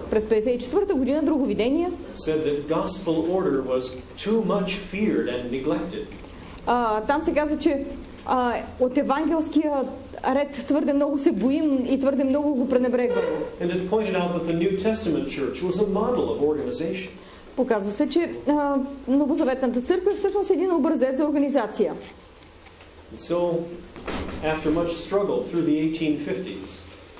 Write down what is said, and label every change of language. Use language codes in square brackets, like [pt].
[bg] През 54-та година друго видение. [en] Said that gospel order was too much feared and neglected. [bg] Там се казва, че от евангелския ред твърде много се боим и твърде много го пренебрегвам. [en] And it pointed out that the New Testament church was a model of organization. [bg] Показва се, че новозаветната църква е всъщност един образец за организация. [en] And so, after much struggle through the 1850s,